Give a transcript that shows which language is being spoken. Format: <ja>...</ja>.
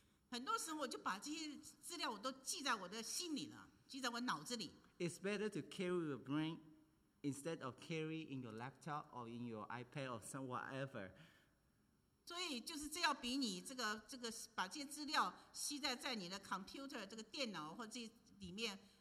<zh>很多时候我就把这些资料我都记在我的心里了，记在我脑子里。</zh> <en>It's better to carry your brain instead of carrying your laptop or in your iPad or some whatever.</en> <zh>所以就是这要比你这个把这些资料吸在你的computer这个电脑或这里面。</zh>